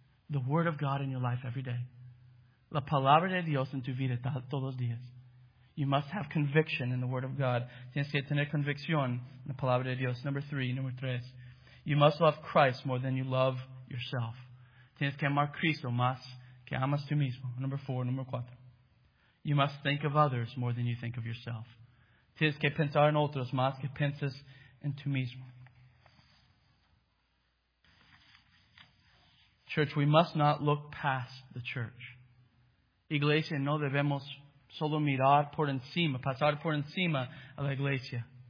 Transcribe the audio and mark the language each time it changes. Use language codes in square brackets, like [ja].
[en] The Word of God in your life every day. [es] La palabra de Dios en tu vida todos los días. [en] You must have conviction in the Word of God. [es] Tienes que tener convicción en la palabra de Dios. [en] Number three. You must love Christ more than you love yourself. [es] Tienes que amar Cristo más que amas tú mismo. [en] Number four. You must think of others more than you think of yourself. [es] Tienes que pensar en otros más que piensas en tú mismo. [en] Church, we must not look past the church. [es] Iglesia, no debemos solo mirar por encima, pasar por encima a la iglesia.